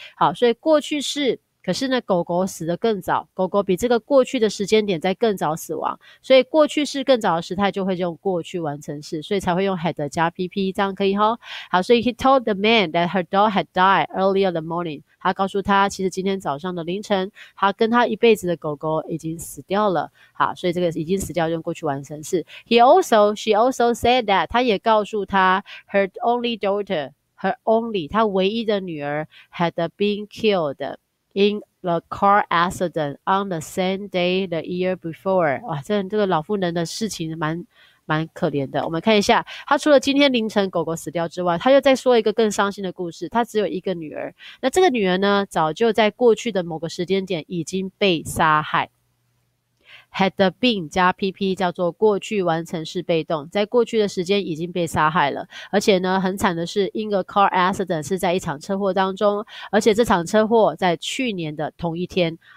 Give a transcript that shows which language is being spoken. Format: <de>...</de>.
<zh>好，所以过去式，可是呢狗狗死得更早，狗狗比这个过去的时间点在更早死亡，所以过去式更早的时态就会用过去完成式，所以才会用 had 加 PP， 这样可以齁。好，所以</zh> <en>he told the man that her dog had died earlier the morning，</en> <zh>他告诉他其实今天早上的凌晨他跟他一辈子的狗狗已经死掉了。好，所以这个已经死掉用过去完成式。</zh> <en>she also said that，</en> <zh>他也告诉他</zh> <en>her only daughter， her only，</en> <zh>他唯一的女儿</zh> <en>had been killed in the car accident on the same day the year before。</en> <zh>哇，这个老妇人的事情蛮可怜的。我们看一下，他除了今天凌晨狗狗死掉之外，他又再说一个更伤心的故事。他只有一个女儿，那这个女儿呢早就在过去的某个时间点已经被杀害。 had been 加 PP 叫做过去完成式被动，在过去的时间已经被杀害了，而且呢很惨的是</zh> <en>in a car accident</en> <zh>是在一场车祸当中，而且这场车祸在去年的同一天。</zh>